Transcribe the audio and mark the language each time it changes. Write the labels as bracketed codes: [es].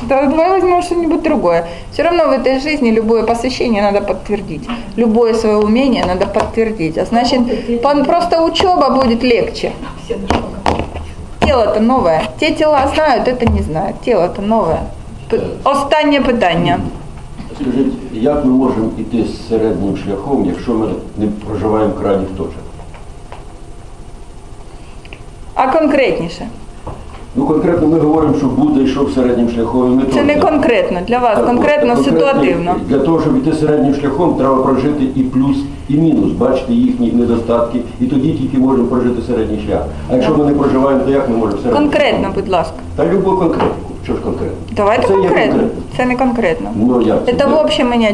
[ru] Давай возьмем что-нибудь другое. Все равно в этой жизни любое посвящение надо подтвердить. Любое свое умение надо подтвердить. А значит, просто учеба будет легче. Тело-то новое. Те тела знают, это не знают. Тело-то новое. [uk] Останнє питання. Скажіть, як ми можемо йти з середнім шляхом, якщо ми не проживаємо крайніх точок? А конкретніше? Ну, конкретно ми говоримо, що Будда йшов середнім шляхом. Це точно. Не конкретно для вас, так, конкретно ситуативно. Для того, щоб йти середнім шляхом, треба прожити і плюс, і мінус, бачити їхні недостатки, і тоді тільки можемо прожити середній шлях. А якщо ми не проживаємо, то як ми можемо середнім конкретно, шляхом? Будь ласка. Та любу конкретику. Що ж конкретно? Давайте конкретно. Це не конкретно. Ну, як це? Це [ru] в общем [uk] і не